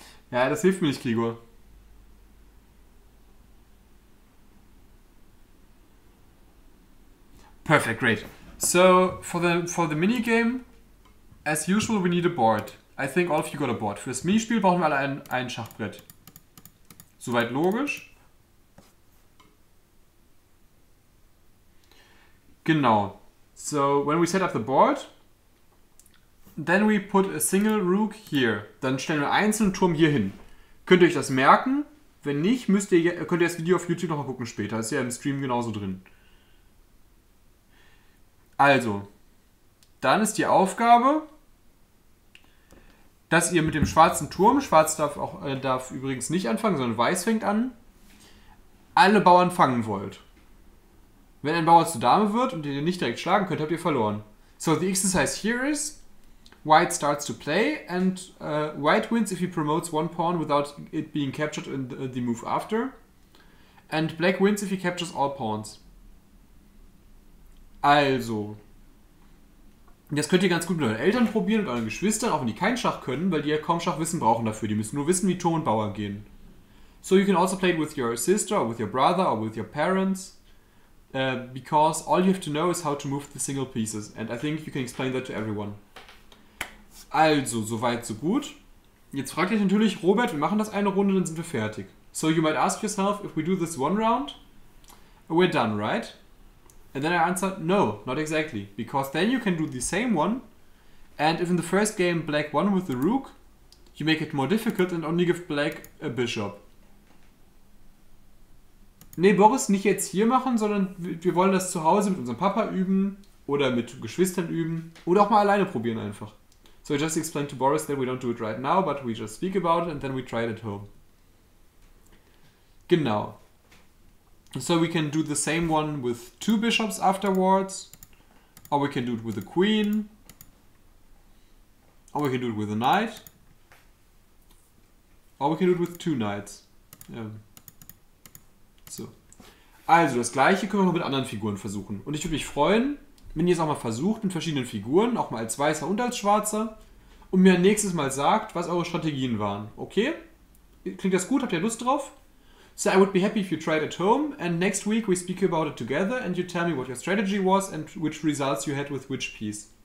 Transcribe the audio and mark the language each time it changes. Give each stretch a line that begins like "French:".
German: Ja, das hilft mir nicht, Grigor.
English: Perfect, great. So, for the minigame, as usual, we need a board. I think all of you got a board.
German: Für das Minispiel brauchen wir alle ein Schachbrett. Soweit logisch. Genau.
English: So, when we set up the board, then we put a single rook here.
German: Dann stellen wir einen einzelnen Turm hier hin. Könnt ihr euch das merken? Wenn nicht, könnt ihr das Video auf YouTube nochmal gucken später. Ist ja im Stream genauso drin. Also, dann ist die Aufgabe, dass ihr mit dem schwarzen Turm, schwarz darf übrigens nicht anfangen, sondern weiß fängt an, alle Bauern fangen wollt. Wenn ein Bauer zur Dame wird und ihr nicht direkt schlagen könnt, habt ihr verloren.
English: So, the exercise here is, White starts to play and White wins if he promotes one pawn without it being captured in the move after. And Black wins if he captures all pawns.
German: Also, das könnt ihr ganz gut mit euren Eltern probieren und euren Geschwistern, auch wenn die kein Schach können, weil die ja kaum Schachwissen brauchen dafür. Die müssen nur wissen, wie Turm und Bauer gehen.
English: So, you can also play it with your sister, or with your brother, or with your parents. Because all you have to know is how to move the single pieces. And I think you can explain that to everyone.
German: Also, soweit, so gut. Jetzt fragt euch natürlich, Robert, wir machen das eine Runde, dann sind wir fertig.
English: So, you might ask yourself, if we do this one round, we're done, right? And then I answer, no, not exactly. Because then you can do the same one. And if in the first game black won with the rook, you make it more difficult and only give black a bishop.
German: Nee, Boris, nicht jetzt hier machen, sondern wir wollen das zu Hause mit unserem Papa üben oder mit Geschwistern üben oder auch mal alleine probieren einfach.
English: So I just explained to Boris that we don't do it right now, but we just speak about it and then we try it at home. Genau. So we can do the same one with two bishops afterwards, or we can do it with a queen, or we can do it with a knight, or we can do it with two knights. So.
German: Also das Gleiche können wir auch mit anderen Figuren versuchen. Und ich würde mich freuen, wenn ihr es auch mal versucht mit verschiedenen Figuren, auch mal als Weißer und als Schwarzer, und mir nächstes Mal sagt, was eure Strategien waren. Okay? Klingt das gut? Habt ihr Lust drauf?
English: So, I would be happy if you tried at home and next week we speak about it together and you tell me what your strategy was and which results you had with which piece.